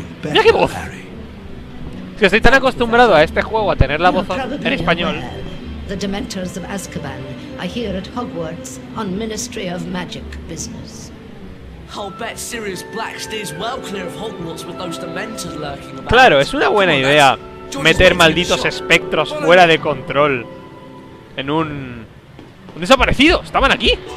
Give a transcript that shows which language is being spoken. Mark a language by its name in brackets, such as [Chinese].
[Spanish] ¡Mira qué voz! Es que estoy tan acostumbrado a este juego a tener la voz en español. [English] The Dementors of Azkaban are here at Hogwarts on Ministry of Magic business. I'll bet Sirius Black stays well clear of Hogwarts with those Dementors lurking about. [Spanish] Claro, es una buena idea meter malditos espectros fuera de control en un desaparecido. Estaban aquí.